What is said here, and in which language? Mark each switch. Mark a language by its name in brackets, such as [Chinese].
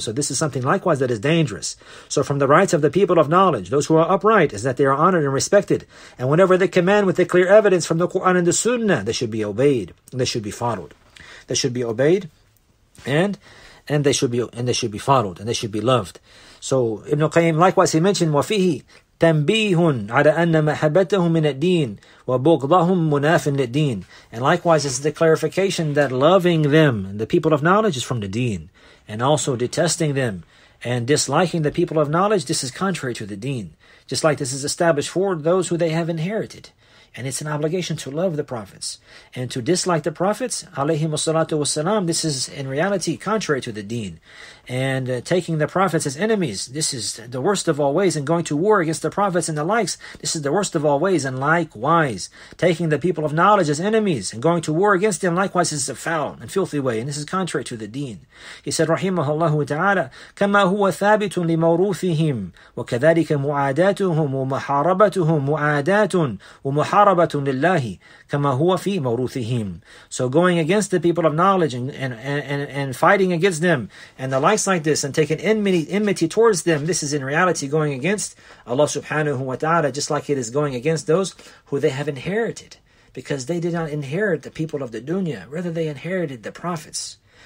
[English] So this is something likewise that is dangerous. So from the rights of the people of knowledge, those who are upright, is that they are honored and respected. And whenever they command with the clear evidence from the Quran and the Sunnah, they should be obeyed. They should be followed. They should be obeyed. And they should be followed. And they should be loved. [Arabic] So Ibn Qayyim, [English] likewise, he mentioned, [Arabic] وَفِيهِ تَنْبِيهٌ عَلَى أَنَّ مَحَبَّتَهُمْ مِنَ الدِّينِ وَبُغْضَهُمْ مُنَافٍ لِلدِّينِ. [English] And likewise, this is the clarification that loving them, the people of knowledge, is from the deen. And also detesting them and disliking the people of knowledge, this is contrary to the deen. Just like this is established for those who they have inherited. And it's an obligation to love the prophets. And to dislike the prophets, alayhim as-salatu was-salam, this is in reality contrary to the deen. And taking the prophets as enemies, this is the worst of all ways. And going to war against the prophets and the likes, this is the worst of all ways. And likewise, taking the people of knowledge as enemies and going to war against them, likewise, this is a foul and filthy way. And this is contrary to the deen. He said, [Arabic] rahimahullahu ta'ala, كَمَا هُوَ ثَابِتٌ لِمَوْرُوثِهِمْ وَكَذَلِكَ مُعَادَاتُهُمْ وَمَحَارَبَتُهُمْ مُعَادَاتٌ وَمُحَارَبَةٌ لِلَّهِ كَمَا هُوَ فِي مَوْرُوثِهِمْ. [English] So going against the people of knowledge and fighting against them and the likes like this, and taking enmity towards them, this is in reality going against Allah subhanahu wa ta'ala, just like it is going against those who they have inherited, because they did not inherit the people of the dunya, rather they inherited the prophets.